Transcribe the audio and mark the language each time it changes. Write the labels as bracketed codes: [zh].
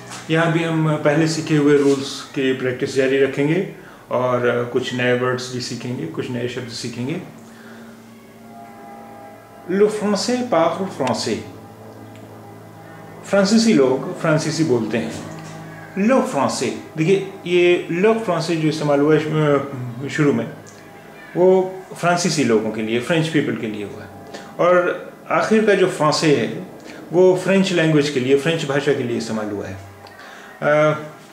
[hi] यहाँ भी हम पहले सीखे हुए रूल्स की प्रैक्टिस जारी रखेंगे और कुछ नए वर्ड्स भी सीखेंगे, कुछ नए शब्द सीखेंगे। [fr] Le français parle français। [hi] फ्रांसीसी लोग फ्रांसीसी बोलते हैं। Le français, देखिए ये Le français जो इस्तेमाल हुआ शुरू में वो फ्रांसीसी लोगों के लिए, फ्रेंच पीपल के लिए हुआ है, और आखिर का जो फ्रांसे है वो फ्रेंच लैंग्वेज के लिए, फ्रेंच भाषा के लिए इस्तेमाल हुआ है।